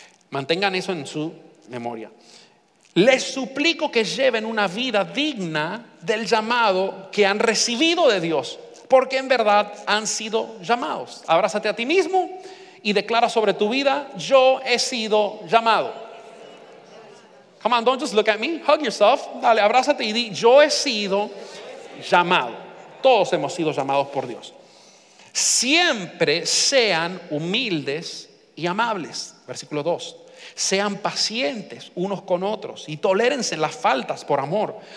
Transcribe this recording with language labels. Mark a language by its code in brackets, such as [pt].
[es] Mantengan eso en su memoria. Les suplico que lleven una vida digna del llamado que han recibido de Dios, porque en verdad han sido llamados. Abrázate a ti mismo y declara sobre tu vida: yo he sido llamado. [en] Come on, don't just look at me, hug yourself. [es] Dale, abrázate y di: yo he sido llamado. Todos hemos sido llamados por Dios. Siempre sean humildes y amables. Versículo 2. Sean pacientes unos con otros y tolérense las faltas por amor.